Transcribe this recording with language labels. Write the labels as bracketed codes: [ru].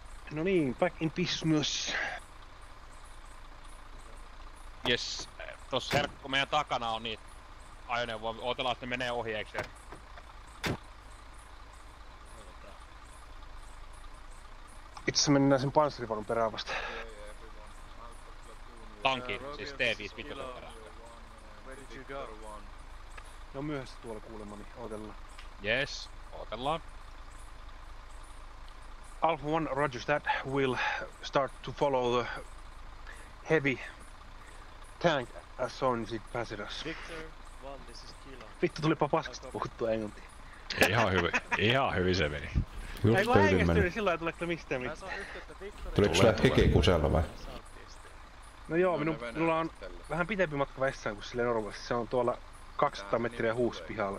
[fi] No niin, [en] back in business. Yes, [fi] tossa herkku meidän takana on niitä ajoneuvoa. Ootellaan, että ne menee ohi, eikö se? Itse mennään sen panssarivaunun perään vasta. Tanki, siis T5 pitkän perään. Ne on myöhässä tuolla kuulemani, ootellaan. [en] Yes, [fi] ootellaan. [en] Alpha 1, Roger, that will start to follow the heavy tank as soon as it passes us. Victor 1, this is Kilo. [fi] Vittu, tulipa paskasta puhuttua englantia. Ihan hyvin, ihan hyvin se meni. Just ei vaan hengästynyt sillä lailla, tuleeko mistään mitään. Tuleeko sulle hiki kusella vai? No joo, minulla on vähän pitempi matka vessaan kuin sille normaalisti. Se on tuolla 200 metriä huus pihalla.